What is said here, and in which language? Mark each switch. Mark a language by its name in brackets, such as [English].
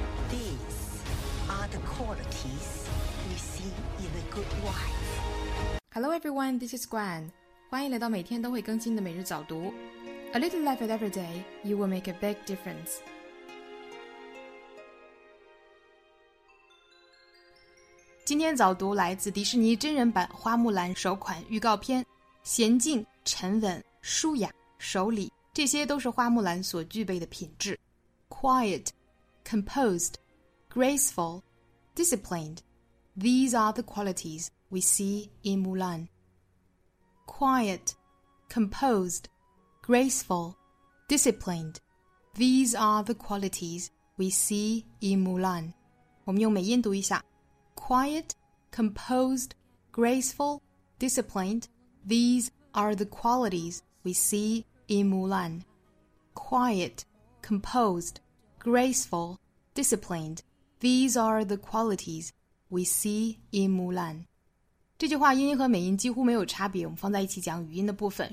[English] These are the qualities we see in a good wife. Hello everyone, this is Gwen. [Chinese] 欢迎来到每天都会更新的每日早读。 [English] A little effort every day, you will make a big difference. [Chinese] 今天早读来自迪士尼真人版《花木兰》首款预告片，娴静、沉稳、舒雅、守礼，这些都是花木兰所具备的品质。 [English] Quiet, composed, graceful, disciplined. These are the qualities we see in Mulan. Quiet, composed. Graceful, disciplined. These are the qualities we see in Mulan. [Chinese] 我们用美音读一下。 [English] Quiet, composed, graceful, disciplined. These are the qualities we see in Mulan. Quiet, composed, graceful, disciplined. These are the qualities we see in Mulan. [Chinese] 这句话英音和美音几乎没有差别，我们放在一起讲语音的部分。